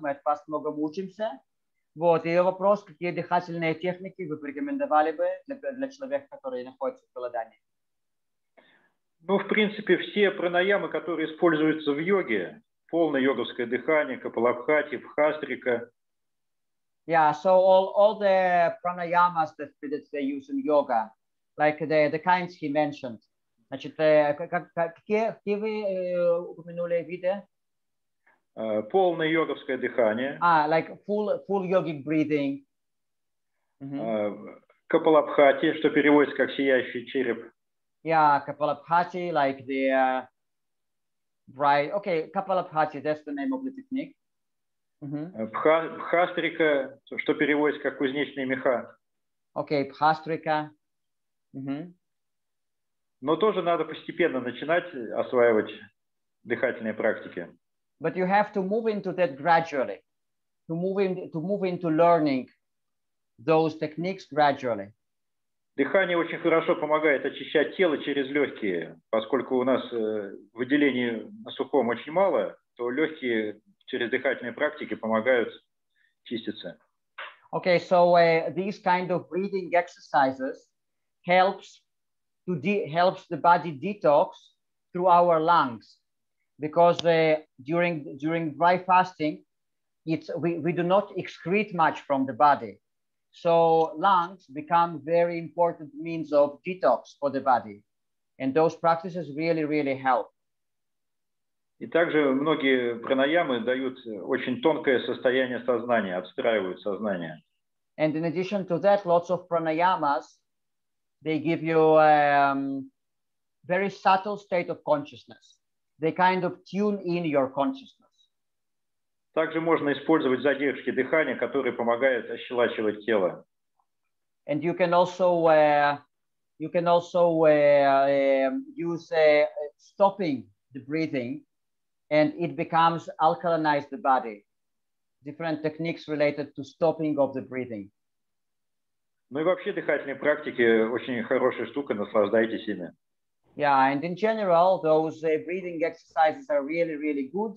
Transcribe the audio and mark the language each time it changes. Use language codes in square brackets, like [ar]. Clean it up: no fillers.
[ru] Мы от вас многому учимся. Вот. Ее вопрос, какие дыхательные техники вы порекомендовали бы для человека, который находится в голодании? Ну, в принципе, все пранаямы, которые используются в йоге, полное йоговское дыхание, капалабхати, бхастрика, [en] Yeah, so all the pranayamas that they use in yoga, like the kinds he mentioned. [ru] Значит, какие вы упомянули виды? Полное йоговское дыхание. [en] Like full yogic breathing. Mm-hmm. [ru] Капалабхати, что переводится как сияющий череп. [en] Yeah, Капалабхати, like the bright. Okay, Капалабхати, that's the name of the technique. Mm-hmm. [ru] Бхастрика, что переводится как кузнечные меха. [en] Okay, Бхастрика. Mm-hmm. [ru] Но тоже надо постепенно начинать осваивать дыхательные практики. [en] But you have to move into that gradually, to move into learning those techniques gradually. [ru] Дыхание очень хорошо помогает очищать тело через легкие, поскольку у нас выделений на сухом очень мало, то легкие через дыхательные практики помогают чиститься. [en] Okay, so these kind of breathing exercises helps the body detox through our lungs. Because during dry fasting, we do not excrete much from the body, so lungs become very important means of detox for the body, and those practices really really help. [ru] И также многие пранаямы дают очень тонкое состояние сознания, отстраивают сознание. [en] And in addition to that, lots of pranayamas, they give you a very subtle state of consciousness. They kind of tune in your consciousness. [ru] Также можно использовать задержки дыхания, которые помогают ощелачивать тело. [en] And you can also use stopping the breathing, and it becomes alkalinize the body. Different techniques related to stopping of the breathing. [ru] Ну и вообще дыхательные практики очень хорошая штука, наслаждайтесь ими. [en] Yeah, and in general, those breathing exercises are really, really good.